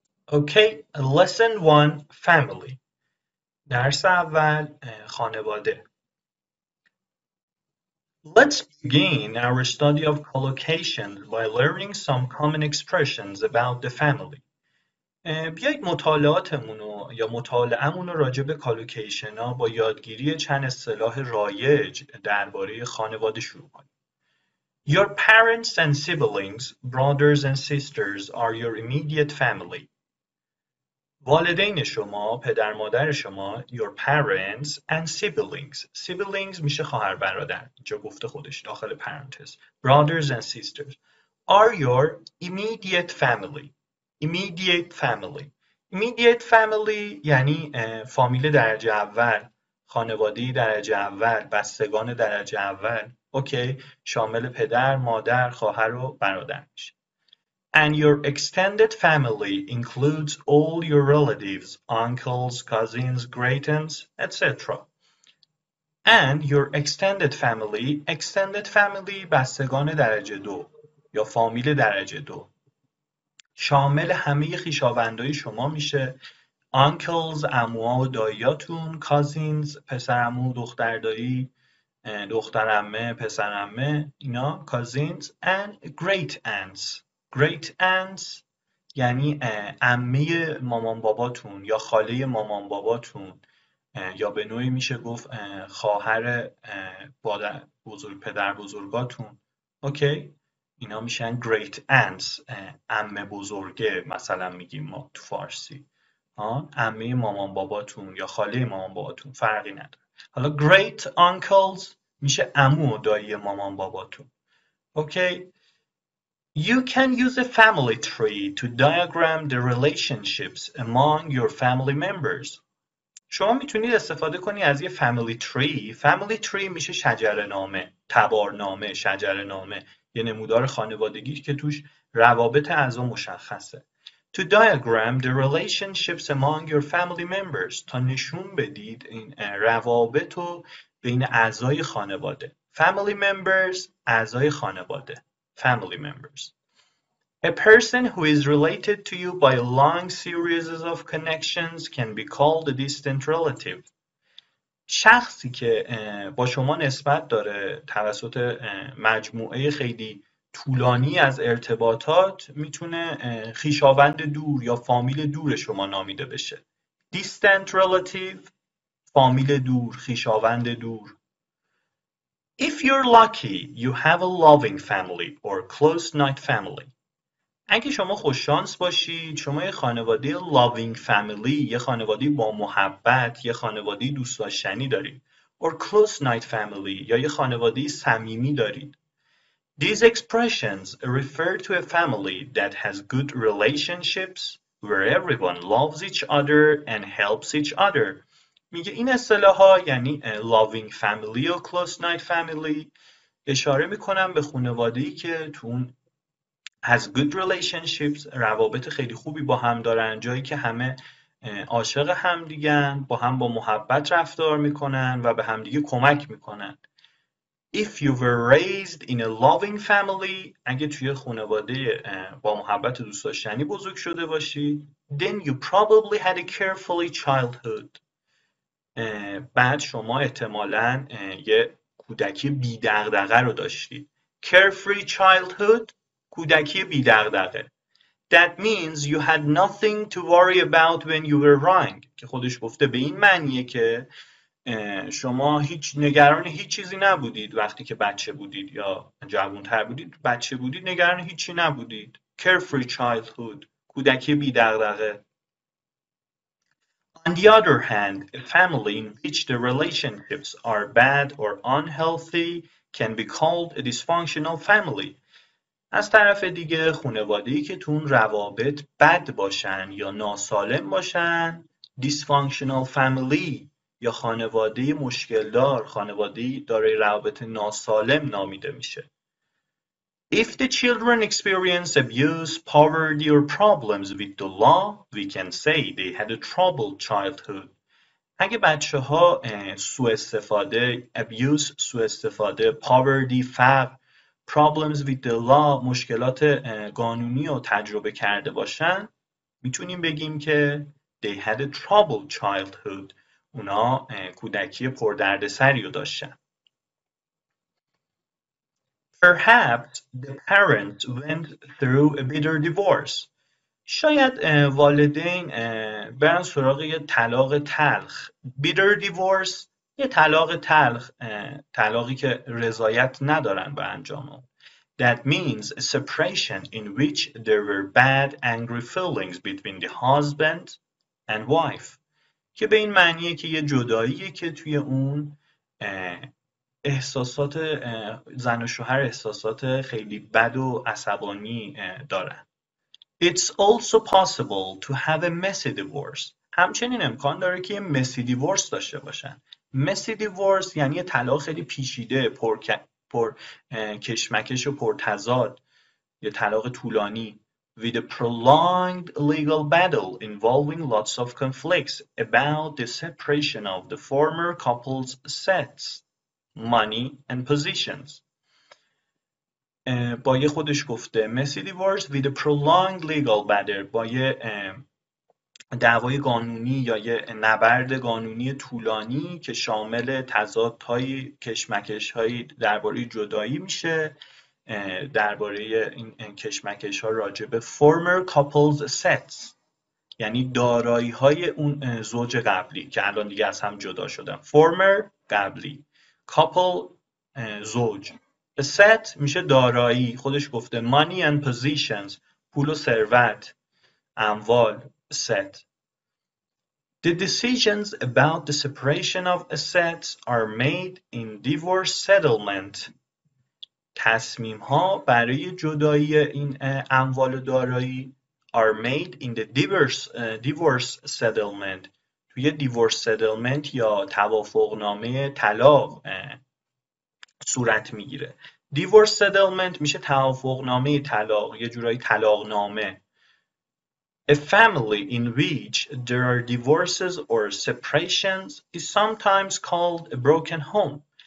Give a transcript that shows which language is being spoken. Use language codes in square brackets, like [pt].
[en] Okay, Lesson 1, Family. [fa] درس اول خانواده. [en] Let's begin our study of collocations by learning some common expressions about the family. [fa] بیایید مطالعاتمون رو یا مطالعه‌مون رو راجع به کالوکیشن ها با یادگیری چند اصطلاح رایج درباره خانواده شروع کنیم. [en] Your parents and siblings, brothers and sisters are your immediate family. [fa] والدین شما، پدر مادر شما، [en] your parents and siblings. [fa] Siblings میشه خواهر برادر، اینجا گفته خودش داخل پرانتز. [en] Brothers and sisters are your immediate family. Immediate family. [fa] Immediate family یعنی فامیل درجه اول، خانواده درجه اول، بستگان درجه اول. اوکی، شامل پدر، مادر، خواهر و برادر میشه. [en] And your extended family includes all your relatives, uncles, cousins, great aunts, etc. And your extended family [fa] بستگان درجه دو یا فامیل درجه دو شامل همه خویشاوندهای شما میشه، uncles عموها و داییاتون، cousins پسر عمو دختر دایی، دختر عمه پسر عمه اینا [en] cousins and great aunts. [fa] Great aunts یعنی عمه مامان باباتون یا خاله مامان باباتون یا به نوعی میشه گفت خواهر بزرگ پدر بزرگاتون. اوکی اینا میشن great aunts، عمه بزرگه مثلا میگیم ما تو فارسی، عمه مامان باباتون یا خاله مامان باباتون فرقی نداره. حالا great uncles میشه عمو و دایی مامان باباتون. [en] Okay You can use a family tree to diagram the relationships among your family members. [fa] شما میتونید استفاده کنی از یه family tree. Family tree میشه شجره نامه، تبار نامه، شجره نامه، یه نمودار خانوادگی که توش روابط اعضا مشخصه. [en] To diagram the relationships among your family members. [fa] تا نشون بدید این روابط رو بین اعضای خانواده. [en] Family members، [fa] اعضای خانواده. [en] Family members. A person who is related to you by long series of connections can be called a distant relative. [fa] شخصی که با شما نسبت داره توسط مجموعه خیلی طولانی از ارتباطات میتونه خویشاوند دور یا فامیل دور شما نامیده بشه. [en] Distant relative، [fa] فامیل دور، خویشاوند دور. [en] If you're lucky, you have a loving family or close-knit family. [fa] اگه شما خوش شانس باشید، شما یه خانواده [en] loving family، [fa] یه خانواده با محبت، یه خانواده دوست داشتنی دارید، [en] or close-knit family [fa] یا یه خانواده صمیمی دارید. [en] These expressions refer to a family that has good relationships where everyone loves each other and helps each other. [fa] میگه این اصطلاحا یعنی loving family و close knit family اشاره میکنم به خانواده‌ای که تو اون [en] has good relationships [fa] روابط خیلی خوبی با هم دارن، جایی که همه عاشق هم دیگن، با هم با محبت رفتار میکنن و به هم دیگه کمک میکنن. [en] If you were raised in a loving family، [fa] اگه توی خانواده با محبت دوست داشتنی بزرگ شده باشی، [en] then you probably had a carefully childhood. [fa] بعد شما احتمالاً یه کودکی بی دغدغه رو داشتید. [en] Carefree childhood، [fa] کودکی بی دغدغه. [en] That means you had nothing to worry about when you were young. [fa] که خودش گفته به این معنیه که شما هیچ نگران هیچ چیزی نبودید وقتی که بچه بودید یا جوانتر بودید، بچه بودید نگران هیچی نبودید، [en] carefree childhood، [fa] کودکی بی دغدغه. [en] On the other hand, a family in which the relationships are bad or unhealthy can be called a dysfunctional family. [fa] از طرف دیگه خانواده‌ای که تون روابط بد باشن یا ناسالم باشن dysfunctional family یا خانواده مشکلدار، خانواده دارای روابط ناسالم نامیده میشه. [en] If the children experience abuse, poverty or problems with the law, we can say they had a troubled childhood. [fa] اگه بچه ها سوء استفاده، abuse، سوء استفاده، poverty، فقر، [en] problems with the law، [fa] مشکلات قانونی رو تجربه کرده باشن، میتونیم بگیم که [en] they had a troubled childhood. [fa] اونا کودکی پردردسری رو داشتن. [en] Perhaps the parents went through a bitter divorce. [fa] شاید والدین برن سراغ یه طلاق تلخ. Bitter divorce یه طلاق تلخ، طلاقی که رضایت ندارن به انجام. [en] That means a separation in which there were bad angry feelings between the husband and wife. [fa] که به این معنیه که یه جداییه که توی اون احساسات زن و شوهر احساسات خیلی بد و عصبانی دارن. [en] It's also possible to have a messy divorce. [fa] همچنین امکان داره که یه messy divorce داشته باشن. Messy divorce یعنی یه طلاق خیلی پیچیده، پر کشمکش و پر تضاد، یه طلاق طولانی. [en] With a prolonged legal battle involving lots of conflicts about the separation of the former couple's assets, money and positions. [fa] با یه خودش گفته [en] messy divorce with a prolonged legal battle، [fa] با یه دعوای قانونی یا یه نبرد قانونی طولانی که شامل تضادهای کشمکش‌های درباره جدایی میشه، درباره این کشمکش ها راجبه former couples assets یعنی دارایی های اون زوج قبلی که الان دیگه از هم جدا شدن. former قبلی، couple زوج، asset میشه دارایی، خودش گفته [en] money and positions، [fa] پول و ثروت، اموال، asset. [en] The decisions about the separation of assets are made in divorce settlement. [fa] تصمیم ها برای جدایی این اموال و دارایی [en] are made in the divorce settlement، [fa] توی divorce settlement یا توافقنامه طلاق صورت میگیره. divorce settlement میشه توافقنامه طلاق، یه جورایی طلاقنامه. [en] A family in which there are divorces or separations is sometimes called a broken home.